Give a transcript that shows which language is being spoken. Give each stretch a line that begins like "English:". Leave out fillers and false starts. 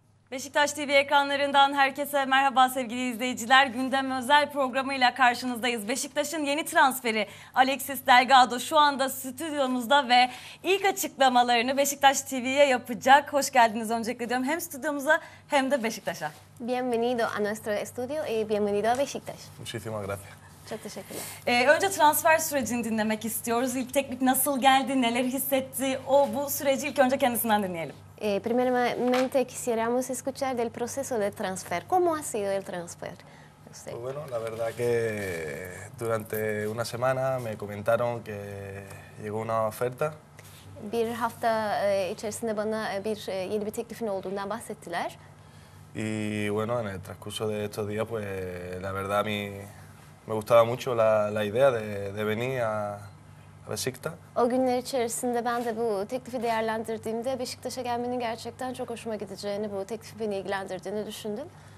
Turkish: Beşiktaş TV ekranlarından herkese merhaba sevgili izleyiciler. Gündem özel programıyla karşınızdayız. Beşiktaş'ın yeni transferi Alexis Delgado şu anda stüdyomuzda ve ilk açıklamalarını Beşiktaş TV'ye yapacak. Hoş geldiniz öncelikle diyorum hem stüdyomuza hem de Beşiktaş'a.
Spanish: Bienvenido a nuestro estudio y bienvenido a Beşiktaş. Muchísimas gracias.
Turkish: Çok teşekkürler. Önce transfer sürecini dinlemek istiyoruz. İlk teknik nasıl geldi, neler hissetti? Bu süreci ilk önce kendisinden dinleyelim.
Spanish: Primeramente quisiéramos escuchar del proceso de transfer. ¿Cómo ha sido el transfer? Pues bueno, la verdad que durante una semana me comentaron que llegó una oferta.
Turkish: Bir hafta içerisinde bana bir yeni bir teklifin olduğundan bahsettiler.
Spanish: Y bueno, en el transcurso de estos días, pues la verdad a mí me gustaba mucho la idea de venir a Beşiktaş.
Turkish: O günler içerisinde ben de bu teklifi değerlendirdiğimde Beşiktaş'a gelmenin gerçekten çok hoşuma gideceğini, bu teklifi beni ilgilendirdiğini düşündüm.